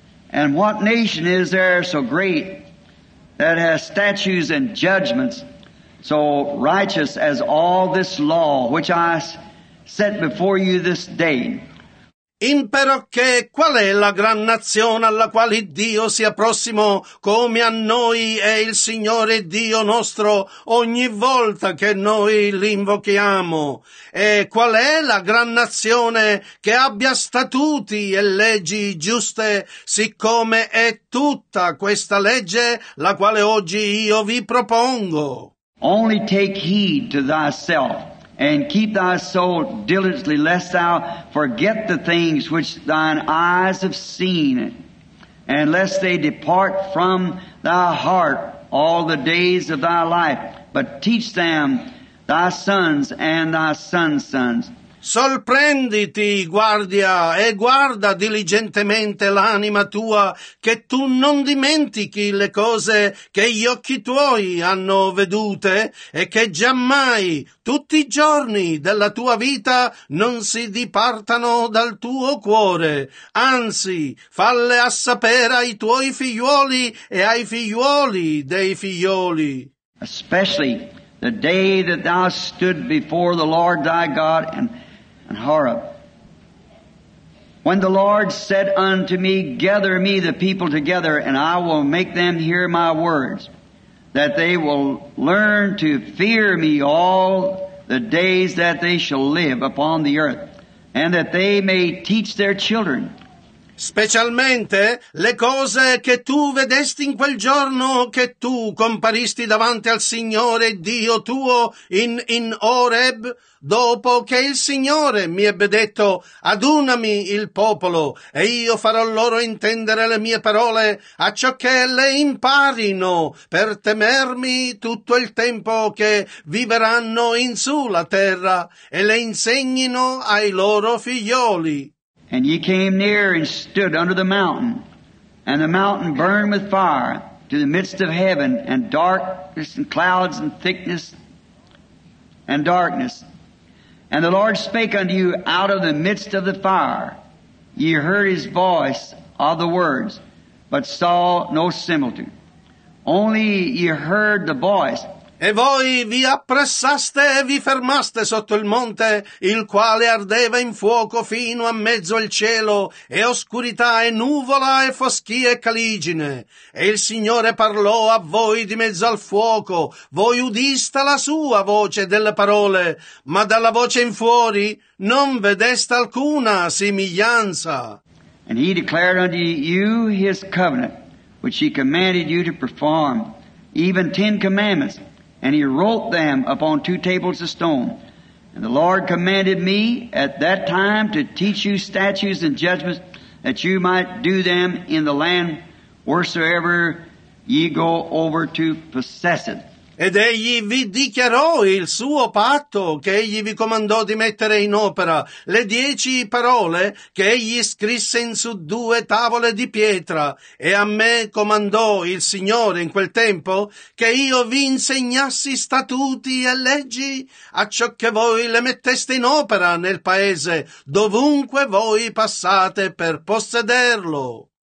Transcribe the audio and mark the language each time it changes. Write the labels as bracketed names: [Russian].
[English] And what nation is there so great that has statutes and judgments so righteous as all this law which I set before you this day? [Italian] Impero che qual è la gran nazione alla quale Dio sia prossimo come a noi è il Signore Dio nostro ogni volta che noi l'invochiamo? E qual è la gran nazione che abbia statuti e leggi giuste, siccome è tutta questa legge la quale oggi io vi propongo? [English] Only take heed to thyself, and keep thy soul diligently, lest thou forget the things which thine eyes have seen, and lest they depart from thy heart all the days of thy life. But teach them thy sons and thy sons' sons. [Italian] Sorprenditi, guardia, e guarda diligentemente l'anima tua, che tu non dimentichi le cose che gli occhi tuoi hanno vedute, e che giammai tutti i giorni della tua vita non si dipartano dal tuo cuore. Anzi, falle assapere ai tuoi figlioli e ai figlioli dei figlioli. [English] Especially the day that thou stood before the Lord thy God and Horeb, when the Lord said unto me, gather me the people together, and I will make them hear my words, that they will learn to fear me all the days that they shall live upon the earth, and that they may teach their children. [Italian] Specialmente le cose che tu vedesti in quel giorno che tu comparisti davanti al Signore Dio tuo in Horeb, dopo che il Signore mi ebbe detto, adunami il popolo e io farò loro intendere le mie parole, a ciò che le imparino per temermi tutto il tempo che vivranno in sulla terra, e le insegnino ai loro figlioli. [English] And ye came near and stood under the mountain, and the mountain burned with fire to the midst of heaven, and darkness and clouds and thickness and darkness. And the Lord spake unto you out of the midst of the fire. Ye heard his voice of the words, but saw no similitude. Only ye heard the voice. [Italian] E voi vi appressaste e vi fermaste sotto il monte, il quale ardeva in fuoco fino a mezzo il cielo, e oscurità e nuvola e foschia e caligine. E il Signore parlò a voi di mezzo al fuoco, voi udiste la sua voce delle parole, ma dalla voce in fuori non vedeste alcuna simiglianza. [English] And he declared unto you his covenant, which he commanded you to perform, even 10 commandments. And he wrote them upon 2 tables of stone. And the Lord commanded me at that time to teach you statutes and judgments, that you might do them in the land wheresoever ye go over to possess it. [Italian] Ed egli vi dichiarò il suo patto che egli vi comandò di mettere in opera, le 10 parole che egli scrisse in su 2 tavole di pietra, e a me comandò il Signore in quel tempo che io vi insegnassi statuti e leggi, acciò che voi le metteste in opera nel paese, dovunque voi passate per possederlo.